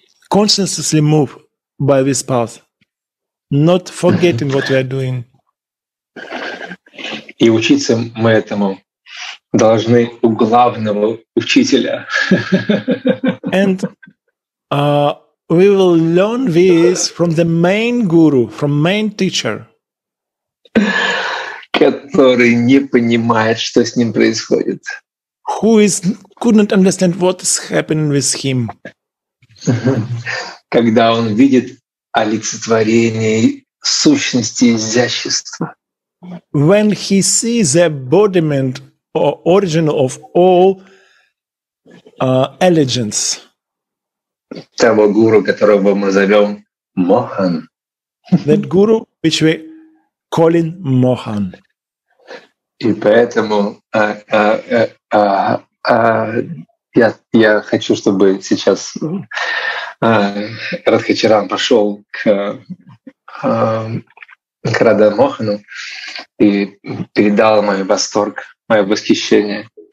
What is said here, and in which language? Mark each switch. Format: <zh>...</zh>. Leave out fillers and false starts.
<en>Consciously move by this path, not forgetting what we are doing.</en> <ru>И учиться мы этому должны у главного учителя.</ru> <en>And we will learn this from the main guru, from main teacher.</en> <ru>Который не понимает, что с ним происходит.</ru> <en>Who is couldn't understand what is happening with him.</en> <ru>Когда он видит олицетворение сущности изящества.</ru> <en>When he sees the embodiment or origin of all elegance.</en> <ru>Того гуру, которого мы зовем Мохан.</ru> <en>That guru, which we call him Mohan.</en> <ru>И поэтому я хочу, чтобы сейчас Радхачаран пошел к Рада Мохану и передал мой восторг, мое восхищение.</ru>